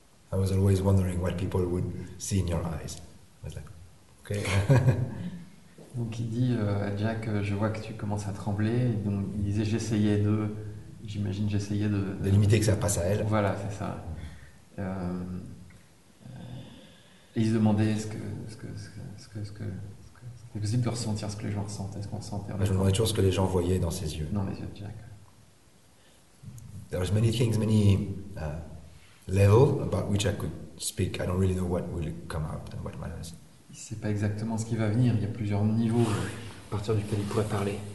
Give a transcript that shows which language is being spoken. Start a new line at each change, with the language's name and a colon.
English: I was always wondering what people would see in your eyes. I was like, okay.
French: Donc il dit à Jack, je vois que tu commences à trembler. Donc il disait, j'essayais de... J'imagine j'essayais de... De limiter que ça passe à elle. Voilà, c'est ça. Et il se demandait ce que c'était possible de ressentir ce que les gens ressentent. Est-ce qu'on ressentait... Je me demandais toujours ce que les gens voyaient dans ses yeux. Dans les yeux de Jack.
English: There's many things, many levels about which I could speak. I don't really know what will come out and what matters.
French: Il ne sait pas exactement ce qui va venir. Il y a plusieurs niveaux à partir duquel il pourrait parler.